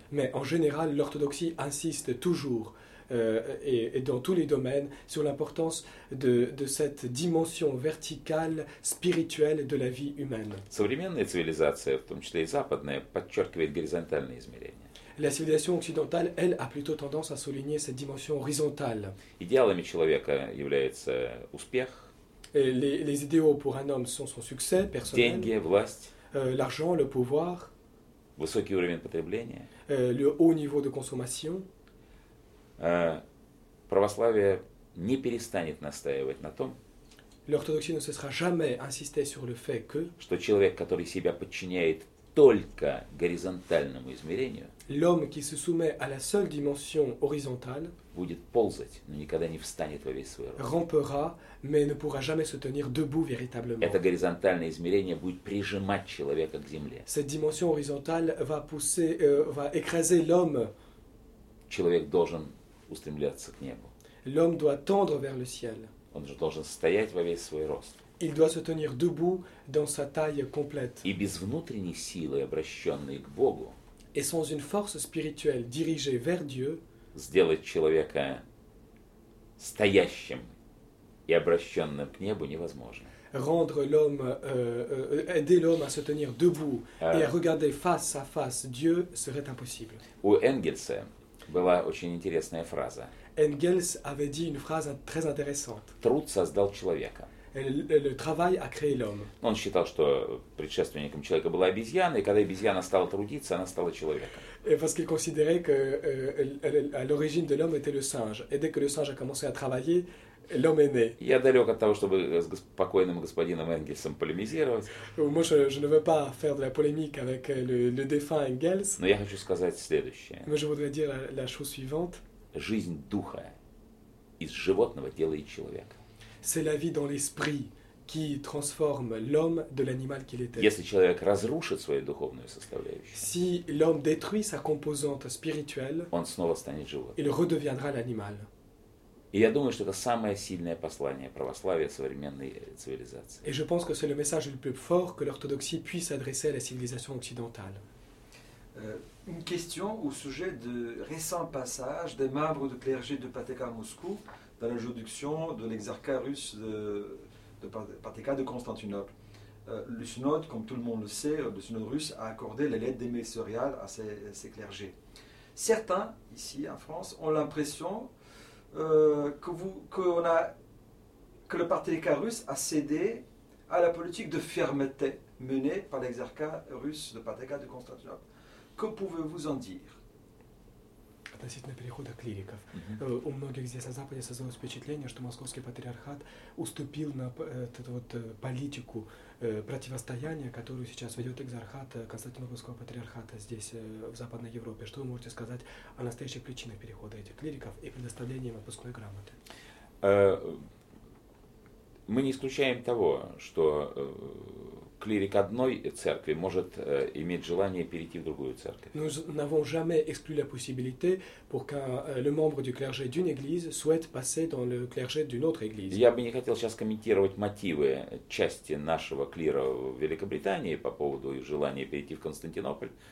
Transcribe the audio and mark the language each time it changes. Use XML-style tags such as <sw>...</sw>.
<fr>Mais en général, l'orthodoxie insiste toujours et dans tous les domaines sur l'importance de cette dimension verticale spirituelle de la vie humaine.</fr> <ru>Современная цивилизация, в том числе и западная, подчеркивает горизонтальные измерения.</ru> <fr>La civilisation occidentale, elle, a plutôt tendance à souligner cette dimension horizontale.</fr> <ru>Идеалами человека является успех.</ru> <fr>Les idéaux pour un homme sont son succès personnel.</fr> <ru>Деньги, власть.</ru> <fr>L'argent, le pouvoir.</fr> <ru>Высокий уровень потребления.</ru> <fr>Le haut niveau de consommation.</fr> <ru>Православие не перестанет настаивать на том,</ru> <fr>L'orthodoxie ne cessera jamais insister sur le fait que,</fr> <ru>что человек, который себя подчиняет только горизонтальному измерению,</ru> <fr>l'homme qui se soumet à la seule dimension horizontale,</fr> <ru>будет ползать, но никогда не встанет во весь свой рост.</ru> <fr>Rampera, mais ne pourra jamais se tenir debout véritablement.</fr> <ru>Это горизонтальное измерение будет прижимать человека к земле.</ru> <fr>Cette dimension horizontale va pousser, va écraser l'homme.</fr> <ru>Человек должен устремляться к небу.</ru> <fr>L'homme doit tendre vers le ciel.</fr> <ru>Он же должен стоять во весь свой рост.</ru> <fr>Il doit se tenir debout dans sa taille complète.</fr> <ru>И без внутренней силы, обращенной к Богу,</ru> <fr>et sans une force spirituelle dirigée vers Dieu,</fr> <ru>сделать человека стоящим и обращенным к небу невозможно.</ru> <fr>Rendre l'homme, aider l'homme à se tenir debout et à regarder face à face Dieu serait impossible.</fr> <ru>У Энгельса была очень интересная фраза.</ru> <fr>Энгельс avait dit une phrase très intéressante.</fr> <ru>Труд создал человека.</ru> <fr>Le travail a créé l'homme.</fr> <ru>Он считал, что предшественником человека была обезьяна, и когда обезьяна стала трудиться, она стала человеком.</ru> <fr>Et parce qu'il considérait que à l'origine de l'homme était le singe. Et dès que le singe a commencé à travailler, l'homme est né.</fr> <ru>Я далек от того, чтобы с покойным господином Энгельсом полемизировать.</ru> <fr>Moi, je ne veux pas faire de la polémique avec le défunt Engels.</fr> <ru>Но я хочу сказать следующее.</ru> <fr>Mais je voudrais dire la chose suivante.</fr> <ru>Жизнь духа из животного делает человека.</ru> <fr>C'est la vie dans l'esprit qui transforme l'homme de l'animal qu'il était.</fr> <ru>Если человек разрушит свою духовную составляющую,</ru> <fr>si l'homme détruit sa composante spirituelle,</fr> <ru>он снова станет животным.</ru> <fr>Il redeviendra l'animal.</fr> <ru>И я думаю, что это самое сильное послание православия современной цивилизации.</ru> <fr>Et je pense que c'est le message le plus fort que l'orthodoxie puisse adresser à la civilisation occidentale. Une question au sujet de récent passage des membres de clergé de Pateka à Moscou dans l'introduction de l'exarchat russe de Pateka de Constantinople. Le synode, comme tout le monde le sait, le synode russe a accordé les lettres démissionnaires à ses clergés. Certains, ici en France, ont l'impression que le Pateka russe a cédé à la politique de fermeté menée par l'exarchat russe de Pateka de Constantinople.</fr> <ru>Что вы можете сказать? Относительно перехода клириков. У многих здесь на Западе создалось впечатление, что московский патриархат уступил на эту вот политику противостояния, которую сейчас ведет экзархат Константинопольского патриархата здесь, в Западной Европе. Что вы можете сказать о настоящих причинах перехода этих клириков и предоставления им отпускной грамоты? Мы не исключаем того, что клирик одной церкви может иметь желание перейти в другую церковь.</ru> <fr>Nous n'avons jamais exclu la possibilité pour qu'un le membre du clergé d'une église souhaite passer dans le clergé d'une autre église.</fr> <ru>Я бы не хотел сейчас комментировать мотивы части нашего клира в Великобритании по поводу их желания перейти в Константинополь.</ru>